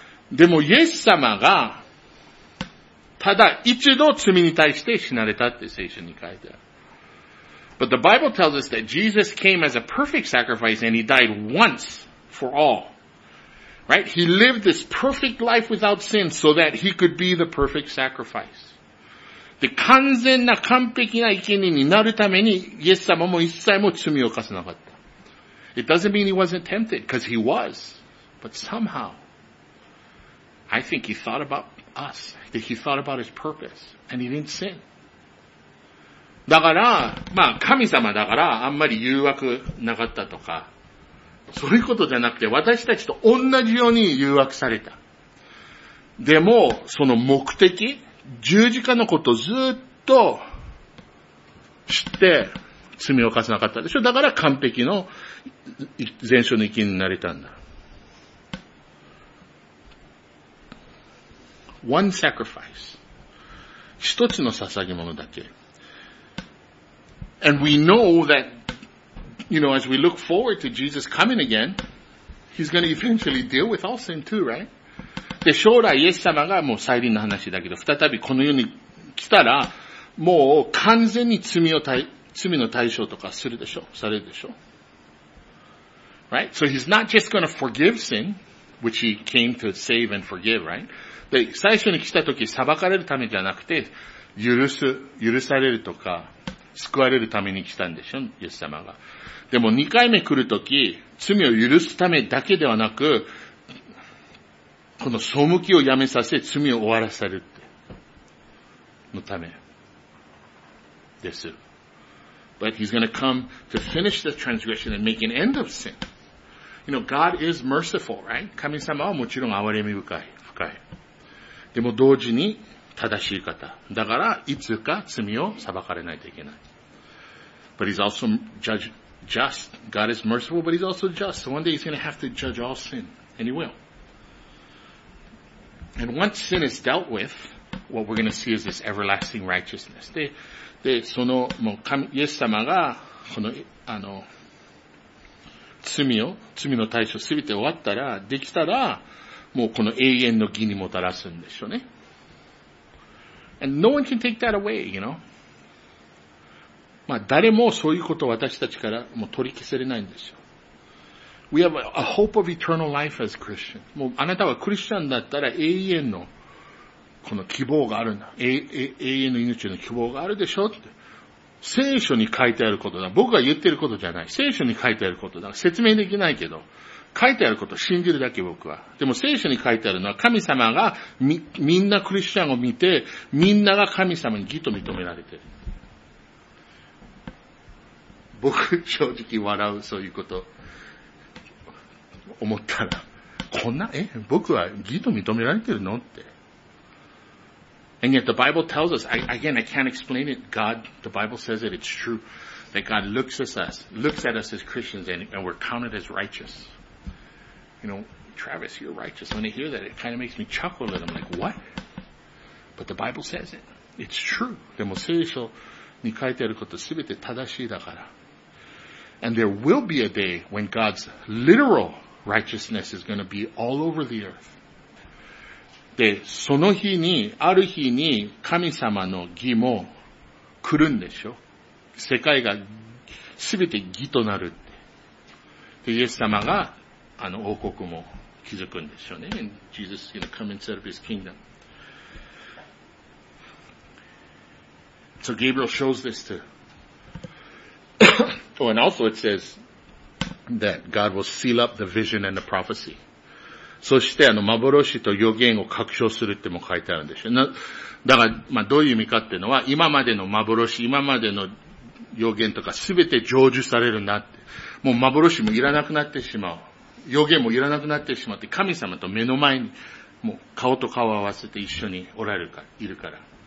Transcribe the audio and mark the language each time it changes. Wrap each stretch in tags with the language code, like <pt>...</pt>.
<ja>でも、イエス様が、ただ一度罪に対して死なれたって聖書に書いてある。</ja> <en>But the Bible tells us that Jesus came as a perfect sacrifice and he died once for all. Right? He lived this perfect life without sin so that he could be the perfect sacrifice.</en> <ja>で、完全な完璧な生贄になるために、イエス様も一切も罪を犯さなかった。</ja> <en>It doesn't mean he wasn't tempted, because he was. But somehow, I think he thought about us. That he thought about his purpose. And he didn't sin.</en> <ja>だから、まあ、神様だから、あんまり誘惑なかったとか、そういうことじゃなくて、私たちと同じように誘惑された。でも、その目的、十字架のことをずっと知って罪を犯さなかったでしょ。だから完璧の全焼の生贄になれたんだ。</ja> <en>One sacrifice.</en> <ja>一つの捧げ物だけ。</ja> <en>And we know that, you know, as we look forward to Jesus coming again, he's going to eventually deal with all sin too, right?</en> <ja>で、将来イエス様がもう再臨の話だけど、再びこの世に来たら、もう完全に罪の対象とかするでしょう、されるでしょう。</ja> <en>Right? So he's not just gonna forgive sin, which he came to save and forgive, right?</en> <ja>で、最初に来た時、裁かれるためじゃなくて、許されるとか、救われるために来たんでしょう、イエス様が。でも2回目来る時、罪を許すためだけではなく、この背きをやめさせ、罪を終わらせるって、のため、です。</ja> <en>But he's gonna come to finish the transgression and make an end of sin. You know, God is merciful, right?</en> <ja>神様はもちろん憐れみ深い。でも同時に正しい方。だから、いつか罪を裁かれないといけない。</ja> <en>But he's also just. God is merciful, but he's also just. So one day he's gonna have to judge all sin. And he will. And once sin is dealt with, what we're going to see is this everlasting righteousness.</en> <ja>で、その、もう、イエス様が、この、罪の対処すべて終わったら、できたら、もうこの永遠の義にもたらすんでしょうね。</ja> <en>And no one can take that away, you know?</en> <ja>まあ、誰もそういうことを私たちからもう取り消せれないんですよ。</ja> <en>We have a hope of eternal life as Christian.</en> <ja>もうあなたはクリスチャンだったら永遠のこの希望があるんだ。永遠の命の希望があるでしょって。聖書に書いてあることだ。僕が言ってることじゃない。聖書に書いてあることだ。説明できないけど。書いてあることを信じるだけ僕は。でも聖書に書いてあるのは神様がみんなクリスチャンを見て、みんなが神様に義と認められてる。僕、正直笑う、そういうこと。思ったら、こんな、僕は義と認められてるのって。</ja> <en>And yet the Bible tells us, again, I can't explain it. God, the Bible says it, it's true. That God looks at us as Christians, and we're counted as righteous. You know, Travis, you're righteous. When I hear that, it kind of makes me chuckle a little. I'm like, what? But the Bible says it. It's true.</en> <ja>でも聖書に書いてあること全て正しいだから。</ja> <en>And there will be a day when God's literal righteousness is going to be all over the earth.</en> <ja>で、その日に、ある日に神様の義も来るんでしょ。世界が全て義となるって。で、イエス様が王国も築くんでしょうね。</ja> <en>And Jesus is going to come and set up his kingdom. So Gabriel shows this to. Oh, and also it says,that God will seal up the vision and the prophecy.</en> <ja>そして幻と予言を確証するっても書いてあるんでしょ。だから、まあ、どういう意味かっていうのは、今までの幻、今までの予言とか全て成就されるんだって。もう幻もいらなくなってしまう。予言もいらなくなってしまって、神様と目の前に、もう顔と顔を合わせて一緒におられるか、いるから。</ja>